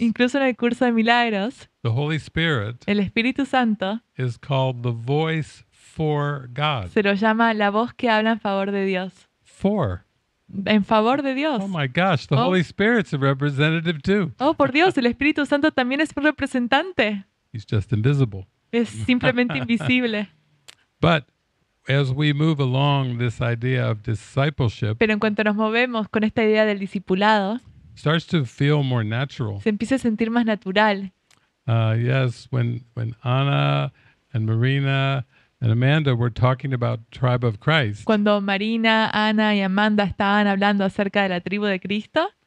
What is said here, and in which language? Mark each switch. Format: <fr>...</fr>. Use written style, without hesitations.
<es>incluso en el curso de milagros,</es> <en>the Holy Spirit,</en> <es>el Espíritu Santo,</es> <en>is called the voice for God.</en> <es>Se lo llama la voz que habla en favor de Dios.</es> <en>For.</en> <es>En favor de Dios.</es> <en>Oh my gosh, the Holy Spirit's a representative too.</en> <es>Oh, por Dios, el Espíritu Santo también es un representante.</es> <en>He's just invisible.</en> <es>Es simplemente invisible.</es> <en>But as we move along this idea of discipleship,</en> <es>pero en cuanto nos movemos con esta idea del discipulado,</es> <en>starts to feel more natural.</en> <es>Se empieza a sentir más natural.</es> <en>Yes, when Anna and Marina and Amanda were talking about tribe of Christ.</en> <es>Cuando Marina, Ana y Amanda estaban hablando acerca de la tribu de Cristo.</es>